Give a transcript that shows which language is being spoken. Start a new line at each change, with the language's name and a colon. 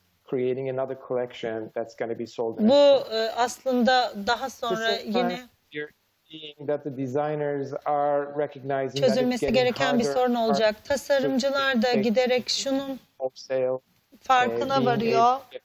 English: Creating another collection that's going to be sold.
Turkish: Bu aslında daha sonra yine
English: that the designers are recognizing
Turkish: çözülmesi
English: that
Turkish: gereken bir sorun olacak. Tasarımcılar da giderek şunun farkına varıyor.